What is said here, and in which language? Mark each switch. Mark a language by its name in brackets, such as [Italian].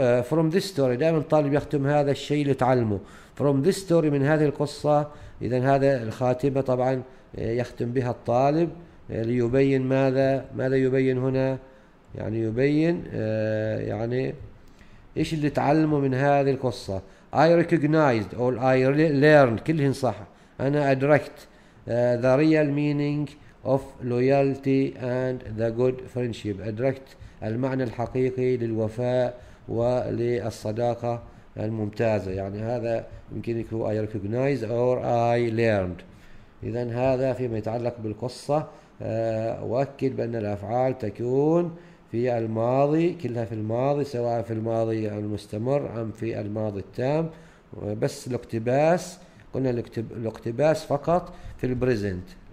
[English] From this story [Arabic] دائما الطالب يختم هذا الشيء لتعلمه. From this story من هذه القصة. إذا هذا الخاتمة طبعا يختم بها الطالب ليبين ماذا يبين هنا. يعني يبين يعني ايش اللي تعلمه من هذه القصة. [English] I recognized or I learned. [Arabic] كلهن صح. انا ادركت [English] the real meaning of loyalty and the good friendship. [Arabic] ادركت المعنى الحقيقي للوفاء وللصداقة الممتازة. يعني هذا يمكن يكون [English] I recognized or I learned. [Arabic] اذا هذا فيما يتعلق بالقصة. أؤكد بأن الأفعال تكون في الماضي كلها في الماضي سواء في الماضي المستمر أم في الماضي التام. بس الاقتباس قلنا الاقتباس فقط في البريزنت.